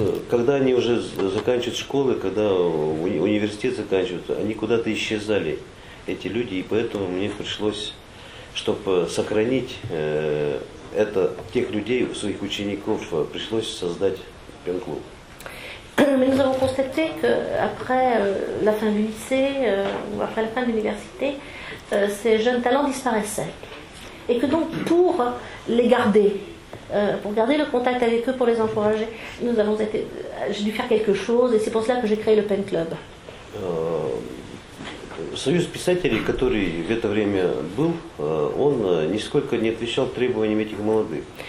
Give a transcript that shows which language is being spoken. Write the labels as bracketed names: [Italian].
[Russian] когда они уже заканчивают школы, когда университет заканчивают, они куда-то исчезали, эти люди, и поэтому мне пришлось, чтобы сохранить это тех людей, своих учеников, пришлось создать пен-клуб. [French] Mais nous avons constaté qu'après la fin du lycée, ou après la fin de l'université, ces jeunes talents disparaissaient. Et que donc, pour les garder, pour garder le contact avec eux, pour les encourager, nous avons été, j'ai dû faire quelque chose, et c'est pour cela que j'ai créé le Pen Club. [Russian] Союз писателей, который в это время был, он нисколько не отвечал требованиям этих молодых.